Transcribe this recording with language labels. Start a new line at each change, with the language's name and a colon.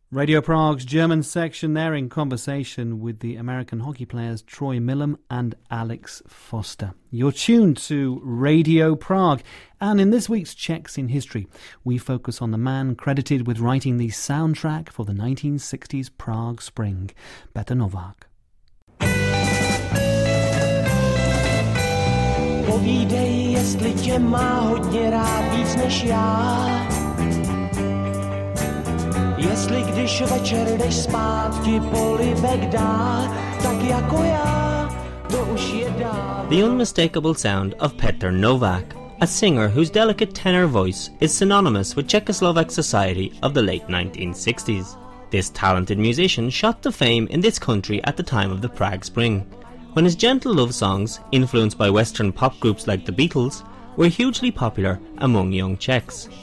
English: Radio Prague's German section there in conversation with the American hockey players Troy Millam and Alex Foster. You're tuned to Radio Prague, and in this week's Czechs in History, we focus on the man credited with writing the soundtrack for the 1960s Prague Spring, Petr Novák.
Czech: Povídej, jestli tě má hodně rád víc než já. Jestli když večer jdeš spát, ti polibek dá, tak jako já, to už je dál.
English: The unmistakable sound of Petr Novák, a singer whose delicate tenor voice is synonymous with Czechoslovak society of the late 1960s. This talented musician shot to fame in this country at the time of the Prague Spring, when his gentle love songs, influenced by Western pop groups like the Beatles, were hugely popular among young Czechs.